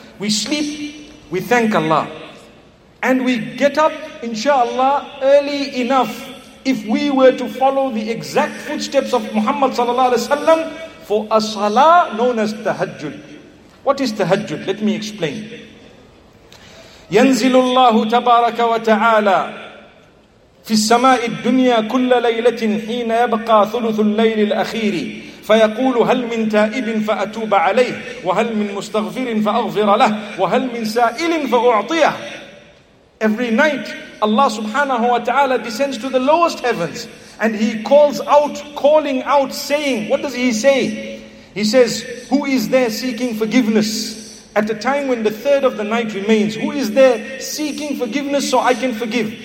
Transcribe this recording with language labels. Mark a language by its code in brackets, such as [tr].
[en] We sleep, we thank Allah, and we get up inshallah early enough. If we were to follow the exact footsteps of Muhammad sallallahu alaihi wasallam for a salah known as tahajjud. What is tahajjud? Let me explain. [ar] ينزل الله تبارك وتعالى في السماء الدنيا كل ليلة حين يبقى ثلث الليل الأخير فيقول هل من تائب فأتوب عليه وهل من مستغفر فأغفر له وهل من سائل فأعطيه. [en] Every night Allah subhanahu wa ta'ala descends to the lowest heavens and He calls out, calling out, saying, what does He say? He says, who is there seeking forgiveness? At the time when the third of the night remains, who is there seeking forgiveness so I can forgive?